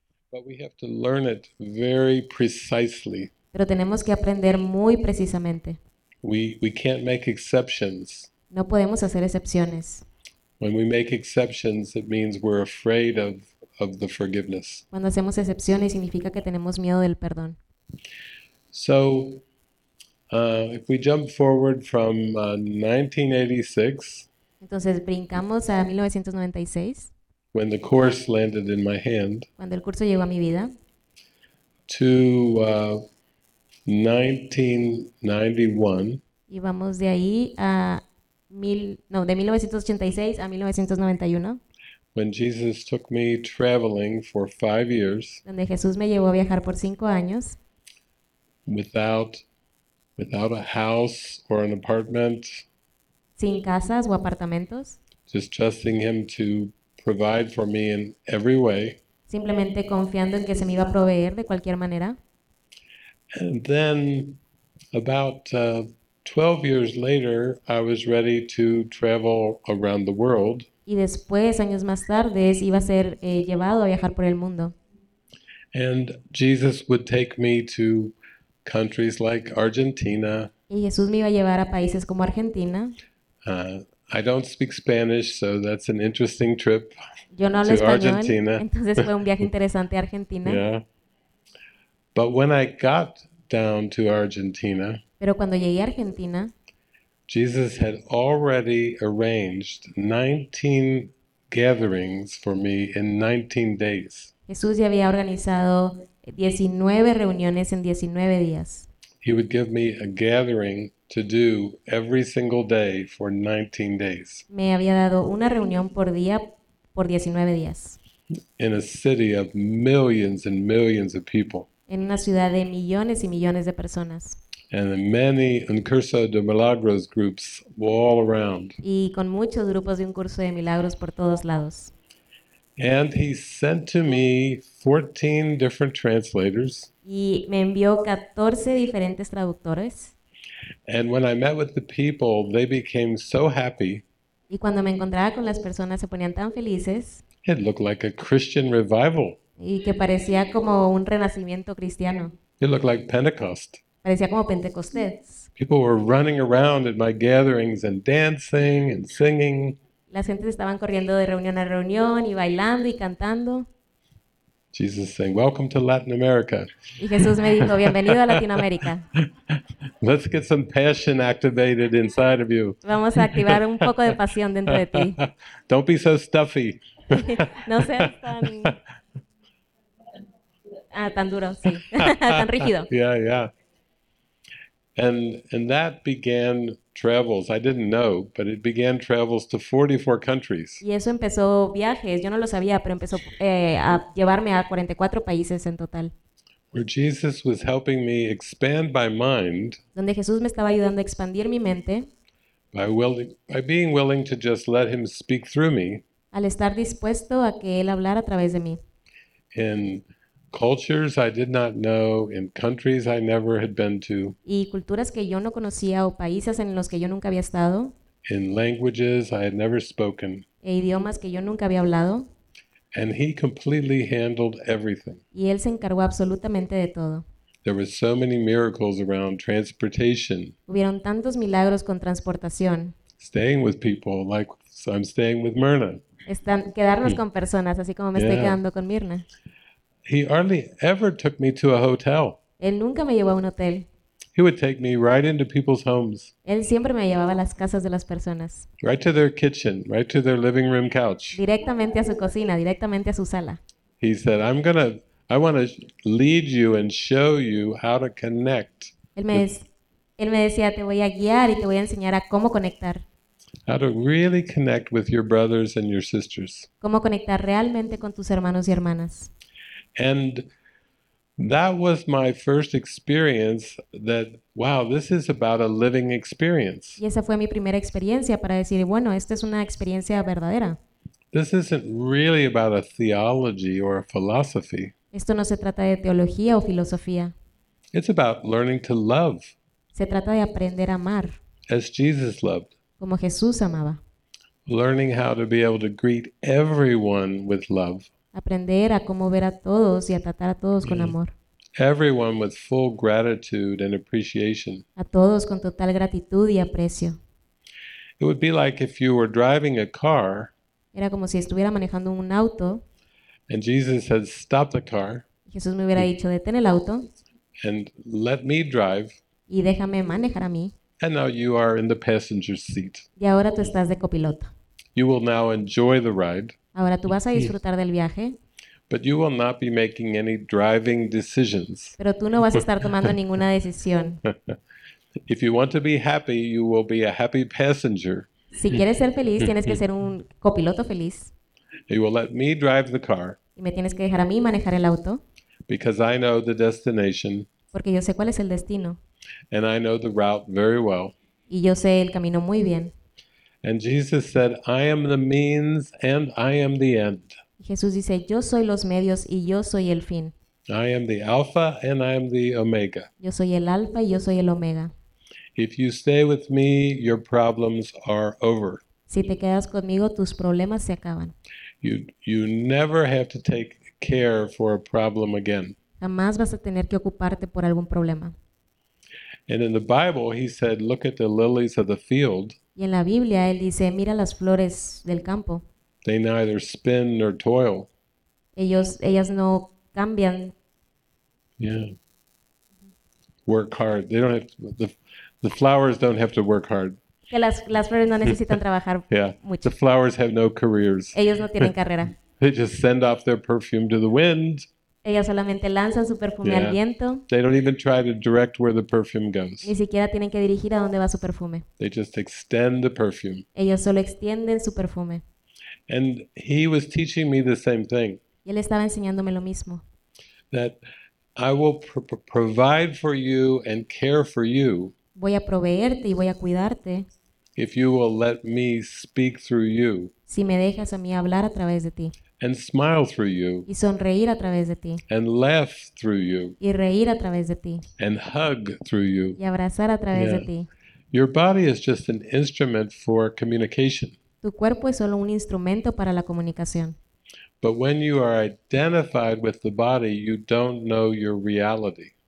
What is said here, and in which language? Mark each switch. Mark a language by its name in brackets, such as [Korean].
[English] But we have to learn it very precisely. [Spanish] Pero tenemos que aprender muy precisamente. [English] We can't make exceptions. [Spanish] No podemos hacer excepciones. [English] When we make exceptions, it means we're afraid of the forgiveness. [Spanish] Cuando hacemos excepciones, significa que tenemos miedo del perdón. [English] So, if we jump forward from 1986, [Spanish] Entonces brincamos a 1996, [English] when the course landed in my hand, [Spanish] cuando el curso llegó a mi vida. [English] to 1991. [Spanish] Y vamos de ahí a de 1986 a 1991, [English] When Jesus took me traveling for 5 years [Spanish] donde Jesús me llevó a viajar por 5 años. [English] without a house or an apartment, [Spanish] Sin casas o apartamentos, [English] just trusting him to provide for me in every way. [Spanish] simplemente confiando en que se me iba a proveer de cualquier manera. [English] And then about 12 years later, I was ready to travel around the world. [Spanish] Y después, años más tarde, iba a ser llevado a viajar por el mundo. [English] And Jesus would take me to countries like Argentina. [Spanish] Y Jesús me iba a llevar a países como Argentina. [English] I don't speak Spanish, so that's an interesting trip [Spanish] Yo no hablo [English] to [Spanish] español, [English] Argentina. [Spanish] entonces fue un viaje interesante a Argentina. [English] Yeah. But when I got down to Argentina, [Spanish] Pero cuando llegué a Argentina, [English] Jesus had already arranged 19 gatherings for me in 19 days. [Spanish] Jesús ya había organizado 19 reuniones en 19 días. [English] He would give me a gathering to do every single day for 19 days [Spanish] Me había dado una reunión por día por 19 días. [English] in a city of millions and millions of people. [Spanish] En una ciudad de millones y millones de personas. [English] And many Uncurso de Milagros groups all around. [Spanish] Y con muchos grupos de un curso de milagros por todos lados. [English] And he sent to me 14 different translators. [Spanish] Y me envió 14 diferentes traductores. [English] And when I met with the people, they became so happy. [Spanish] Y cuando me encontraba con las personas se ponían tan felices. [English] It looked like a Christian revival. [Spanish] Y que parecía como un renacimiento cristiano. [English] It looked like Pentecost. [Spanish] Parecía como Pentecostés. [English] People were running around at my gatherings and dancing and singing. [Spanish] Las gentes estaban corriendo de reunión a reunión y bailando y cantando. [English] Jesus saying, "Welcome to Latin America." [Spanish] Y Jesús me dijo, bienvenido a Latinoamérica. [English] Let's get some passion activated inside of you. [Spanish] Vamos a activar un poco de pasión dentro de ti. [English] Don't be so stuffy. [Spanish] No seas tan duro, sí, tan rígido. [English] And that began travels. I didn't know, but it began travels to 44 countries. [Spanish] Y eso empezó viajes, yo no lo sabía, pero empezó a llevarme a 44 países en total. [English] Where Jesus was helping me expand my mind [Spanish] Donde Jesús me estaba ayudando a expandir mi mente, [English] by being willing to just let him speak through me [Spanish] al estar dispuesto a que él hablara a través de mí. [English] in cultures I did not know, in countries I never had been to, [Spanish] Y culturas que yo no conocía o países en los que yo nunca había estado. [English] in languages I had never spoken. [Spanish] E idiomas que yo nunca había hablado. [English] And he completely handled everything. [Spanish] Y él se encargó absolutamente de todo. [English] There were so many miracles around transportation. [Spanish] Hubieron tantos milagros con transportación. [English] Staying with people, like I'm staying with Myrna. [Spanish] Quedarnos con personas, así como me estoy quedando con Mirna. [English] He hardly ever took me to a hotel. [Spanish] Él nunca me llevó a un hotel. [English] He would take me right into people's homes. [Spanish] Él siempre me llevaba a las casas de las personas. [English] Right to their kitchen, right to their living room couch. [Spanish] Directamente a su cocina, directamente a su sala. [English] He said, I want to lead you and show you how to connect with, [Spanish] Él me decía, te voy a guiar y te voy a enseñar a cómo conectar. [English] how to really connect with your brothers and your sisters. [Spanish] Cómo conectar realmente con tus hermanos y hermanas. [English] And that was my first experience that, wow, this is about a living experience. [Spanish] Y esa fue mi primera experiencia para decir, bueno, esta es una experiencia verdadera. [English] This isn't really about a theology or a philosophy. [Spanish] Esto no se trata de teología o filosofía. [English] It's about learning to love [Spanish] Se trata de aprender a amar [English] as Jesus loved. [Spanish] como Jesús amaba. [English] Learning how to be able to greet everyone with love. [Spanish] Aprender a cómo ver a todos y a tratar a todos con amor. [English] Everyone with full gratitude and appreciation. [Spanish] A todos con total gratitud y aprecio. [English] It would be like if you were driving a car [Spanish] Era como si estuviera manejando un auto. [English] and Jesus had stopped the car [Spanish] Jesús me hubiera dicho, detén el auto [English] and let me drive. [Spanish] y déjame manejar a mí. [English] And now you are in the passenger seat. [Spanish] Y ahora tú estás de copiloto. [English] You will now enjoy the ride. [Spanish] Ahora tú vas a disfrutar del viaje. [English] But you will not be making any driving decisions. [Spanish] Pero tú no vas a estar tomando ninguna decisión. [English] If you want to be happy, you will be a happy passenger. [Spanish] Si quieres ser feliz, tienes que ser un copiloto feliz. [English] You will let me drive the car [Spanish] Y me tienes que dejar a mí manejar el auto. [English] because I know the destination [Spanish] Porque yo sé cuál es el destino. [English] and I know the route very well. [Spanish] Y yo sé el camino muy bien. [English] And Jesus said, I am the means and I am the end. [Spanish] Jesús dice, yo soy los medios y yo soy el fin. [English] I am the Alpha and I am the Omega. [Spanish] Yo soy el alfa y yo soy el omega. [English] If you stay with me, your problems are over. [Spanish] Si te quedas conmigo, tus problemas se acaban. [English] You never have to take care for a problem again. [Spanish] Jamás vas a tener que ocuparte por algún problema. [English] And in the Bible, he said, look at the lilies of the field. [Spanish] Y en la Biblia él dice, mira las flores del campo. [English] They neither spin nor toil. [Spanish] Ellas no cambian. [English] Work hard. They don't have to, the flowers don't have to work hard. [Spanish] Que las flores no necesitan trabajar [English] The [Spanish] mucho. [English] flowers have no careers. [Spanish] Ellos no tienen carrera. [English] They just send off their perfume to the wind. [Spanish] Ellas solamente lanzan su perfume al viento. [English] They don't even try to direct where the perfume [Spanish] Ni [English] goes. [Spanish] siquiera tienen que dirigir a dónde va su perfume. [English] They just extend the perfume. [Spanish] Ellos solo extienden su perfume. [English] And he was teaching me the same thing. [Spanish] Y él estaba enseñándome lo mismo. [English] That I will provide for you and care for you [Spanish] Voy a proveerte y voy a cuidarte [English] if you will let me speak through you [Spanish] si me dejas a mí hablar a través de ti [English] and smile through you [Spanish] y sonreír a través de ti [English] and laugh through you [Spanish] y reír a través de ti [English] and hug through you. [Spanish] y abrazar a través de ti. [English] Your body is just an instrument for communication. [Spanish] Tu cuerpo es solo un instrumento para la comunicación. [English] But when you are identified with the body, you don't know your reality.